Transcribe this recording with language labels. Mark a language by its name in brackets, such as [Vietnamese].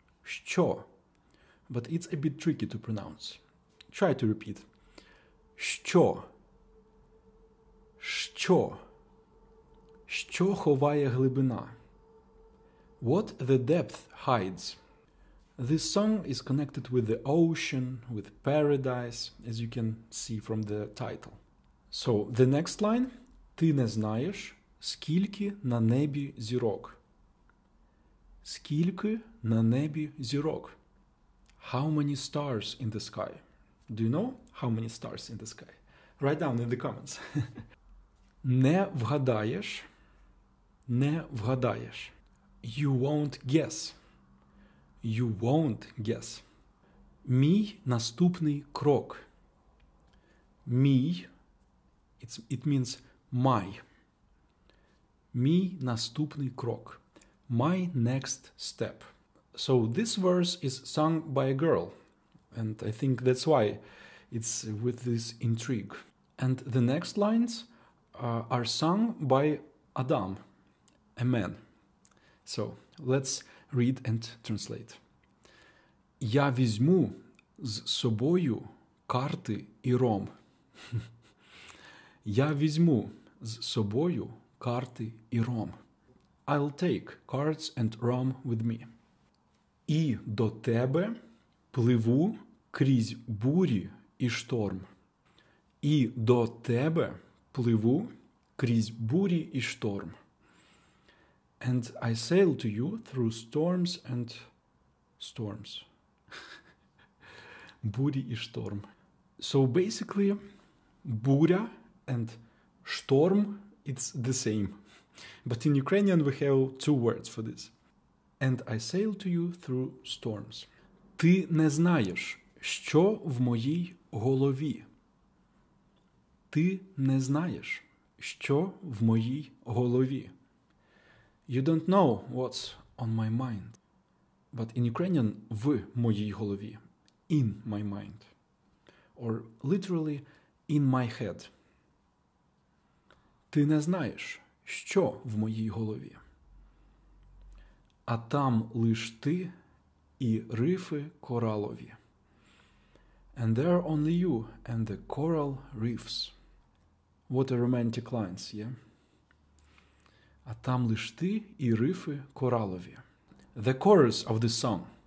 [English] Що. But it's a bit tricky to pronounce. Try to repeat. Що. Що. [Ukrainian] Що ховає глибина? [English] What the depth hides. This song is connected with the ocean, with paradise, as you can see from the title. So, the next line. [Ukrainian] Ти не знаєш, скільки на небі зірок. Скільки на небі зірок. [English] How many stars in the sky? Do you know how many stars in the sky? Write down in the comments. [Ukrainian] Не вгадаєш. Не вгадаєш. [English] You won't guess. You won't guess. [Ukrainian] Мій наступний крок. Мій. [English] It means my. [Ukrainian] Мій наступний крок. [English] My next step. So this verse is sung by a girl. And I think that's why it's with this intrigue. And the next lines are sung by Adam, a man. So, let's read and translate. [Ukrainian] Я візьму з собою карти і ром. Я візьму з собою карти і ром. [English] I'll take cards and rum with me. [Ukrainian] І до тебе пливу крізь бурі і шторм. І до тебе пливу крізь бурі і шторм. [English] And I sail to you through storms and storms. [Ukrainian] Бурі і шторм. [English] So basically, буря and шторм, it's the same. But in Ukrainian we have two words for this. And I sail to you through storms. [Ukrainian] Ти не знаєш, що в моїй голові. Ти не знаєш, що в моїй голові. [English] You don't know what's on my mind. But in Ukrainian, [Ukrainian] в моїй голові. [English] In my mind. Or literally, in my head. [Ukrainian] Ти не знаєш, що в моїй голові. А там лиш ти і рифи коралові. [English] And there are only you and the coral reefs. What a romantic lines, yeah? [Ukrainian] А там лиш ти і рифи коралові. [English] the chorus of the song.